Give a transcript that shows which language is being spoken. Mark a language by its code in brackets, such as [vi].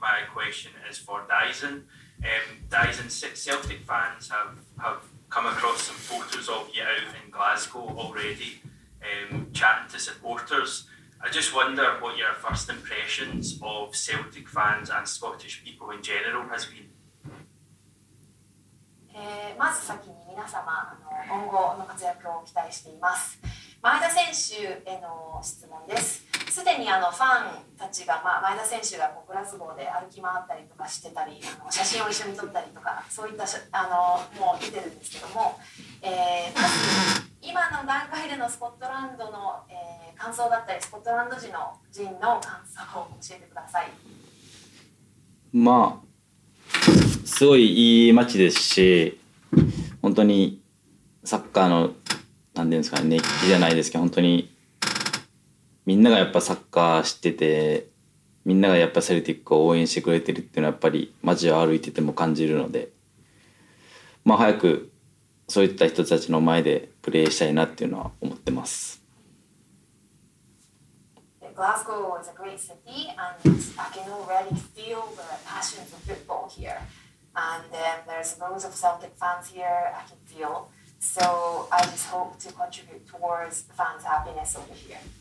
[en] My question is for Dyson. Dyson, Celtic fans have come across some photos of you out in Glasgow already, chatting to supporters. I just wonder what your first impressions of Celtic fans and Scottish people in general has been. [ja] まず先に皆様今後の活躍を期待しています。前田選手への質問です。すでにファンたちが、前田選手がグラスゴーで歩き回ったりとかしてたり、写真を一緒に撮ったりとか、そういったもう出てるんですけども、今の段階でのスコットランドの、感想だったり、スコットランド人の感想を教えてください。まあすごいいい街ですし、本当にサッカーの何ていうんですか、熱気じゃないですけど、本当にみんながやっぱサッカー知ってて、みんながやっぱセルティックを応援してくれてるっていうのはやっぱり街を歩いてても感じるので、まあ早くそういった人たちの前でプレーしたいなっていうのは思ってます。 [en] Glasgow is a great city, and I can already feel the passion for football here. And there's loads of Celtic fans here, I can feel. So I just hope to contribute towards the fans' happiness over here.